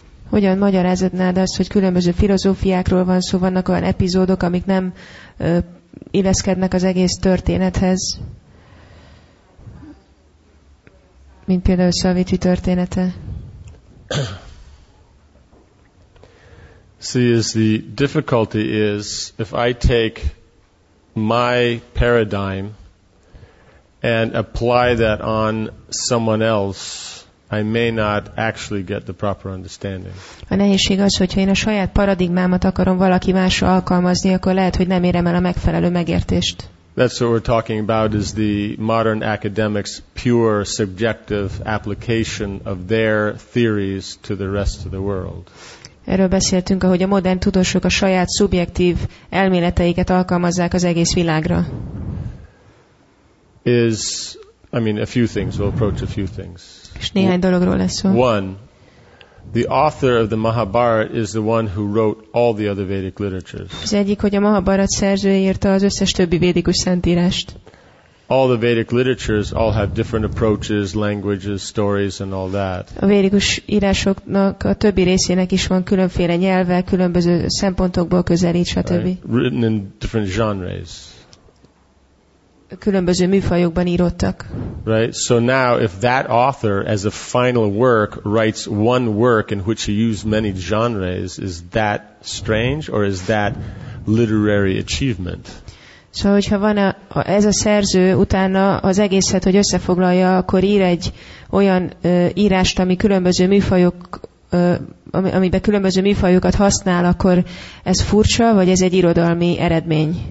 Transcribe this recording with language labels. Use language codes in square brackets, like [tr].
[hu] Hogyan magyaráznád azt, hogy különböző filozófiákról van szó, vannak olyan epizódok, amik nem illeszkednek az egész történethez, mint például Savitri története? [en] See, is the difficulty is if I take my paradigm and apply that on someone else, I may not actually get the proper understanding. [hu] A nehézség az, hogyha én a saját paradigmámat akarom valaki másra alkalmazni, akkor lehet, hogy nem érem el a megfelelő megértést. [en] That's what we're talking about, is the modern academics' pure subjective application of their theories to the rest of the world. [hu] Erről beszéltünk, ahogy a modern tudósok a saját szubjektív elméleteiket alkalmazzák az egész világra. [en] A few things. [hu] És néhány dologról lesz szó. [en] One, the author of the Mahabharata is the one who wrote all the other Vedic literatures. [hu] Az egyik, hogy a Mahabharata szerzője írta az összes többi védikus szentírást. [en] All the Vedic literatures all have different approaches, languages, stories and all that. [hu] A védikus írásoknak a többi részének is van különféle nyelve, különböző szempontokból közelít, stb. [en] Right? Written in different genres. [hu] Különböző műfajokban írottak. [en] Right? So now if that author as a final work writes one work in which he used many genres, is that strange or is that literary achievement? [hu] Szóval, hogyha van ez a szerző, utána az egészet, hogy összefoglalja, akkor ír egy olyan írást, ami különböző műfajok, amiben különböző műfajokat használ, akkor ez furcsa, vagy ez egy irodalmi eredmény?